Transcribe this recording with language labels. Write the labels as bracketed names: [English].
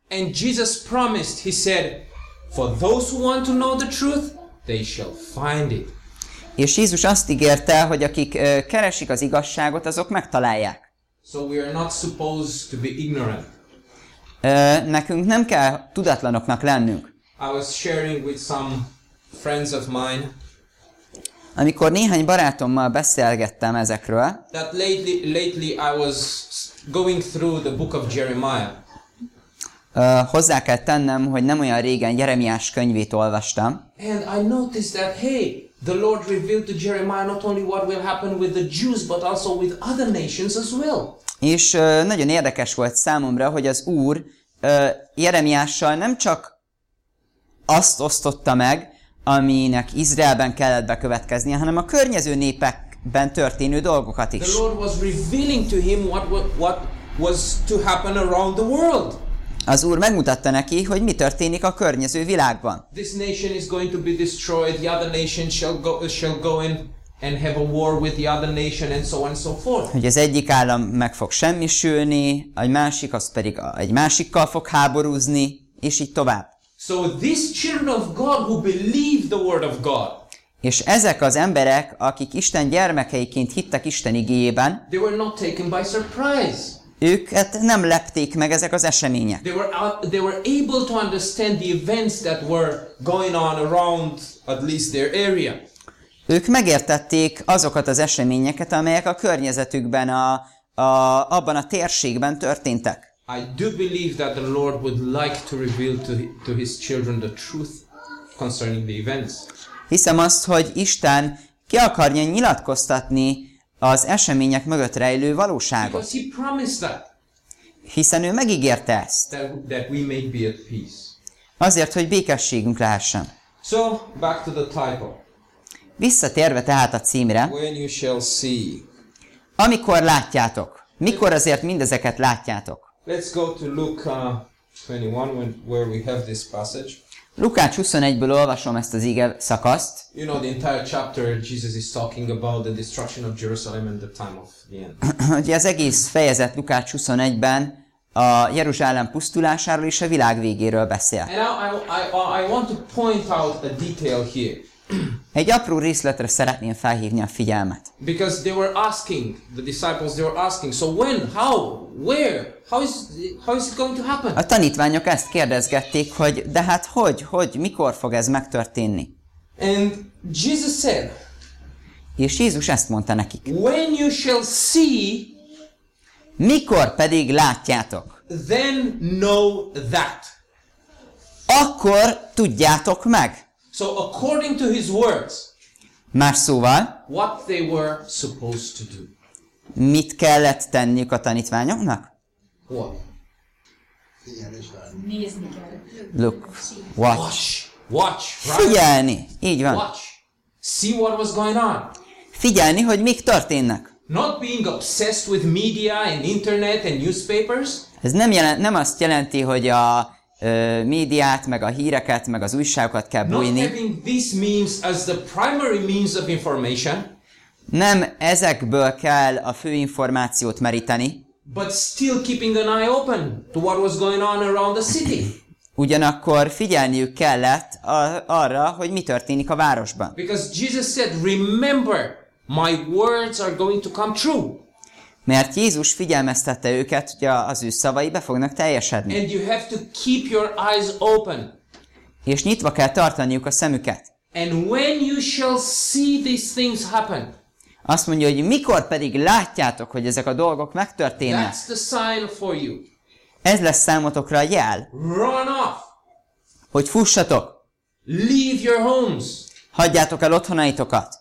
[English] And Jesus promised, he said, for those who want to know the truth, they shall find it. [Hungarian] És Jézus azt ígérte, hogy akik keresik az igazságot, azok megtalálják. [English] So we are not supposed to be ignorant. [Hungarian] Nekünk nem kell tudatlanoknak lennünk. [English] I was sharing with some friends of mine. [Hungarian] Amikor néhány barátommal beszélgettem ezekről. [English] That lately I was going through the book of Jeremiah. [Hungarian] Hozzá kell tennem, hogy nem olyan régen Jeremiás könyvét olvastam. [English] And I noticed that hey, the Lord revealed to Jeremiah not only what will happen with the Jews, but also with other nations as well. [Hungarian] És nagyon érdekes volt számomra, hogy az Úr Jeremiással nem csak azt osztotta meg, aminek Izraelben kellett bekövetkeznie, hanem a környező népekben történő dolgokat is. [English] The Lord was revealing to him what was to happen around the world. [Hungarian] Az Úr megmutatta neki, hogy mi történik a környező világban. [English] This nation is going to be destroyed, the other nation shall go in and have a war with the other nation and so on and so forth. [Hungarian] Hogy az egyik állam meg fog semmisülni, a másik az pedig egy másikkal fog háborúzni, és így tovább. [English] So these children of God who believe the word of God. [Hungarian] És ezek az emberek, akik Isten gyermekeiként hittek Isten igéjében. [English] They were not taken by surprise. [Hungarian] Őket nem lepték meg ezek az események. [English] They were able to understand the events that were going on around at least their area. [Hungarian] Ők megértették azokat az eseményeket, amelyek a környezetükben abban a térségben történtek. [English] I do believe that the Lord would like to reveal to his children the truth concerning the events. [Hungarian] Hiszem azt, hogy Isten ki akarja nyilatkoztatni az események mögött rejlő valóságot. [English] Because he promised that. [Hungarian] Hiszen ő megígérte ezt. [English] That we may be at peace. [Hungarian] Azért, hogy békességünk lehessen. [English] So, back to the title. [Hungarian] Visszatérve tehát a címre. [English] When you shall see. [Hungarian] Amikor látjátok. Mikor azért mindezeket látjátok. [English] Let's go to Luke 21, where we have this passage. [Hungarian] Lukács 21-ből olvasom ezt az ige szakaszt. [English] You know, the entire chapter Jesus is talking about the destruction of Jerusalem and the time of the end. [Hungarian] Ugye az egész fejezet Lukács 21-ben a Jeruzsálem pusztulásáról és a világ végéről beszél. [English] And I want to point out a detail here. [Hungarian] Egy apró részletre szeretném felhívni a figyelmet. [English] Because they were asking, the disciples, they were asking, so when, how, where, how is it going to happen? [Hungarian] A tanítványok ezt kérdezgették, hogy de hát hogy, mikor fog ez megtörténni? [English] And Jesus said, [Hungarian] és Jézus ezt mondta nekik, [English] when you shall see, [Hungarian] mikor pedig látjátok, [English] then know that. [Hungarian] Akkor tudjátok meg. [English] So according to his words, [Hungarian] más szóval, [English] what they were supposed to do. [Hungarian] Mit kellett tenniük a tanítványoknak? [English] What? Look, watch. Watch, right? [Hungarian] Figyelni, így van. [English] Watch. See what was going on. [Hungarian] Figyelni, hogy mik történnek. [English] Not being obsessed with media and internet and newspapers. [Hungarian] Ez nem azt jelenti, hogy a médiát, meg a híreket, meg az újságokat kell bújni. [English] Not having these means as the primary means of information. [Hungarian] Nem ezekből kell a fő információt meríteni. [English] But still keeping an eye open to what was going on around the city. [Hungarian] Ugyanakkor figyelniük kellett arra, hogy mi történik a városban. [English] Because Jesus said, remember, my words are going to come true. [Hungarian] Mert Jézus figyelmeztette őket, hogy az ő szavai be fognak teljesedni. [English] And you have to keep your eyes open. [Hungarian] És nyitva kell tartaniuk a szemüket. [English] And when you shall see these things happen. [Hungarian] Azt mondja, hogy mikor pedig látjátok, hogy ezek a dolgok megtörténnek. [English] That's the sign for you. [Hungarian] Ez lesz számotokra a jel. [English] Run off. [Hungarian] Hogy fussatok. [English] Leave your homes. [Hungarian] Hagyjátok el otthonaitokat.